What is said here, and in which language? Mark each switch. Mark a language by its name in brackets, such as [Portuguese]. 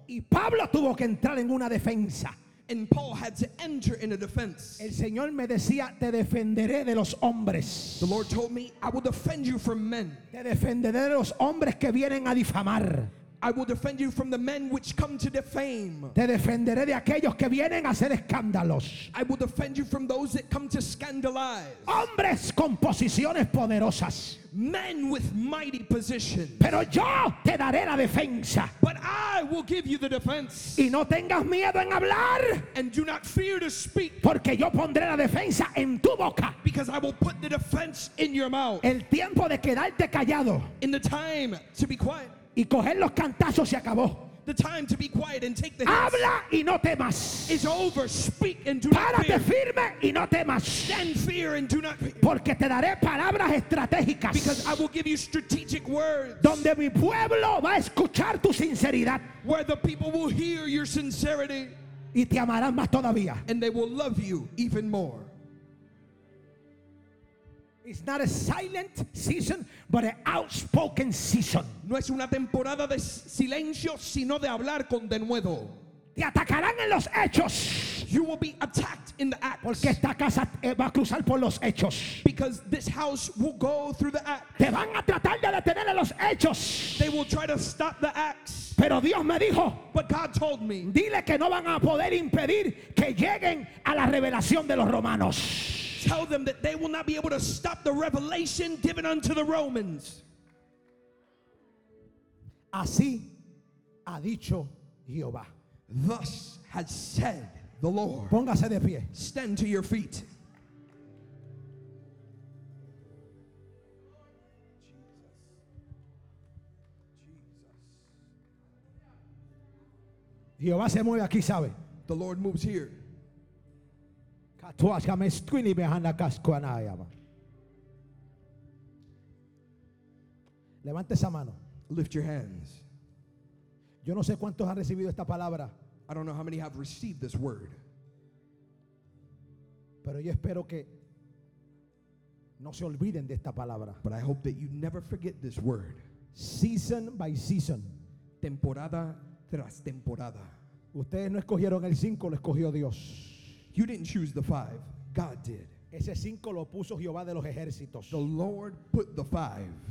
[Spanish] Y Pablo tuvo que entrar en una defensa. [English] And Paul had to enter in a defense. [Spanish] El Señor me decía, te defenderé de los hombres. [English] The Lord told me, I will defend you from men. [Spanish] Te defenderé de los hombres que vienen a difamar. [English] I will defend you from the men which come to defame. [Spanish] Te defenderé de aquellos que vienen a hacer escándalos. [English] I will defend you from those that come to scandalize. [Spanish] Hombres con posiciones poderosas. [English] Men with mighty positions. [Spanish] Pero yo te daré la defensa. [English] But I will give you the defense. [Spanish] Y no tengas miedo en hablar. [English] And do not fear to speak. [Spanish] Porque yo pondré la defensa en tu boca. [English] Because I will put the defense in your mouth. [Spanish] El tiempo de quedarte callado. [English] In the time to be quiet. [Spanish] Y coger los cantazos se acabó. [English] The time to be quiet and take the hits. [Spanish] Habla y no temas. [English] It's over. Speak and do [Spanish] párate [English] not fear. [Spanish] Párate firme y no temas. [English] Stand fear and do not fear. [Spanish] Porque te daré palabras estratégicas. [English] Because I will give you strategic words. [Spanish] Donde mi pueblo va a escuchar tu sinceridad. [English] Where the people will hear your sincerity. [Spanish] Y te amarán más todavía. [English] And they will love you even more. It's not a silent season, but an outspoken season. [Spanish] No es una temporada de silencio, sino de hablar con denuedo. Te atacarán en los hechos. [English] You will be attacked in the acts. [Spanish] Porque esta casa va a cruzar por los hechos. [English] Because this house will go through the acts. [Spanish] Te van a tratar de detener en los hechos. [English] They will try to stop the acts. [Spanish] Pero Dios me dijo, [English] but God told me, [Spanish] dile que no van a poder impedir que lleguen a la revelación de los romanos. [English] Tell them that they will not be able to stop the revelation given unto the Romans. [Spanish] Así ha dicho Jehová. [English] Thus has said the Lord. [Spanish] Póngase de pie. [English] Stand to your feet. Jesus. [Spanish] Jehová se mueve aquí, ¿sabe? [English] The Lord moves here. Catuas, ya me escuini behanda casco anaya. [Spanish] Levante esa mano. [English] Lift your hands. [Spanish] Yo no sé cuántos han recibido esta palabra. [English] I don't know how many have received this word. [Spanish] Pero yo espero que no se olviden de esta palabra. [English] But I hope that you never forget this word. Season by season. [Spanish] Temporada tras temporada. Ustedes no escogieron el 5, lo escogió Dios. [English] You didn't choose the 5. God did. [Spanish] Ese 5 lo puso Jehová de los ejércitos. [English] The Lord put the 5.